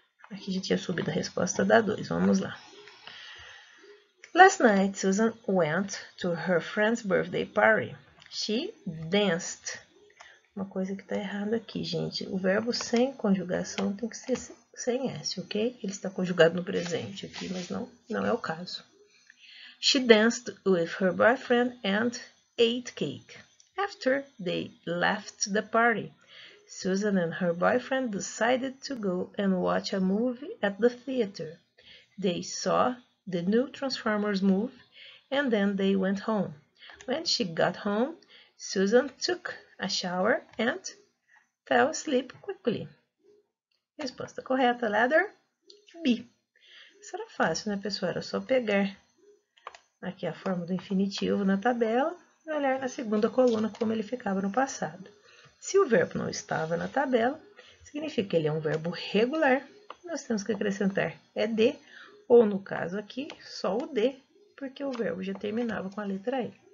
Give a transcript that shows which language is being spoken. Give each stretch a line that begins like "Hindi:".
Portuguese: Aqui a gente tinha subido a resposta da 2, vamos lá.
English: Last night, Susan went to her friend's birthday party. She danced.
Portuguese: Uma coisa que está errada aqui, gente. O verbo sem conjugação tem que ser sem S, ok? Ele está conjugado no presente aqui, mas não é o caso.
English: She danced with her boyfriend and ate cake. After they left the party, Susan and her boyfriend decided to go and watch a movie at the theater. They saw the new Transformers movie and then they went home. When she got home, Susan took a shower and fell asleep quickly.
Portuguese: Resposta correta,
English: letter B.
Portuguese: Isso era fácil, né, pessoal? Era só pegar aqui a forma do infinitivo na tabela e olhar na segunda coluna como ele ficava no passado. Se o verbo não estava na tabela, significa que ele é um verbo regular. Nós temos que acrescentar ED, ou no caso aqui, só o D, porque o verbo já terminava com a letra E.